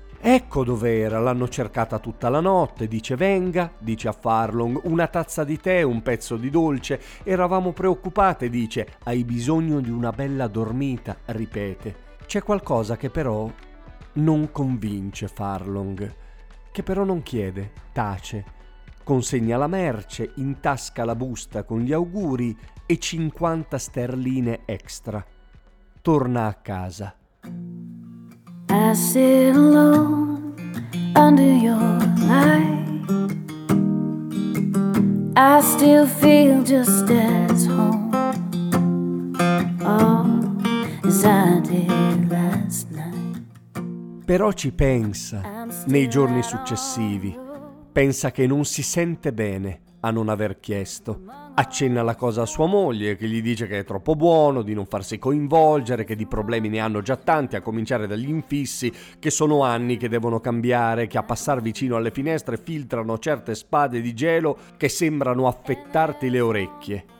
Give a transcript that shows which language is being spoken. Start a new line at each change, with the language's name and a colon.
Italian: Ecco dov'era, l'hanno cercata tutta la notte, dice venga, dice a Farlong, una tazza di tè, un pezzo di dolce, eravamo preoccupate, dice, hai bisogno di una bella dormita, ripete. C'è qualcosa che però non convince Farlong, che però non chiede, tace, consegna la merce, intasca la busta con gli auguri e 50 sterline extra. Torna a casa.
English: I sit alone under your light. I still feel just as home, as I did last night.
Italian: Però ci pensa nei giorni successivi. Pensa che non si sente bene a non aver chiesto. Accenna la cosa a sua moglie, che gli dice che è troppo buono, di non farsi coinvolgere, che di problemi ne hanno già tanti, a cominciare dagli infissi, che sono anni che devono cambiare, che a passar vicino alle finestre filtrano certe spade di gelo che sembrano affettarti le orecchie.